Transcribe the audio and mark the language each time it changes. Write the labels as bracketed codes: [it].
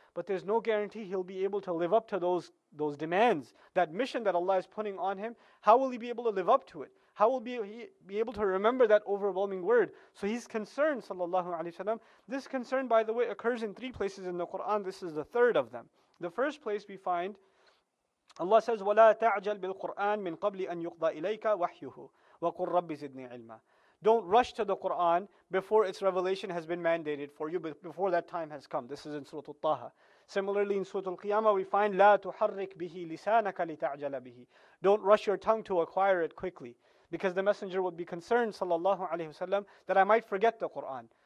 [en] But there's no guarantee he'll be able to live up to those demands, that mission that Allah is putting on him. How will he be able to live up to it? How will he be able to remember that overwhelming word? So he's concerned, sallallahu alayhi wa sallam. This concern, by the way, occurs in three places in the Quran. This is the third of them. The first place we find, Allah says, [ar] وَلَا تَعْجَلْ بِالْقُرْآنِ مِنْ قَبْلِ أَنْ يُقْضَى إِلَيْكَ وَحْيُهُ وَقُلْ رَبِّ زِدْنِي عِلْمًا. [en] Don't rush to the Quran before its revelation has been mandated for you, before that time has come. This is in Surah Al-Taha. Similarly, in Surah Al-Qiyamah, we find, [ar] لَا تُحَرِّكْ بِهِ لِسَانَكَ لِتَعْجَلَ بِهِ. [en] Don't rush your tongue to acquire it quickly. Because the Messenger would be concerned, sallallahu alayhi wa sallam, that I might forget the Quran.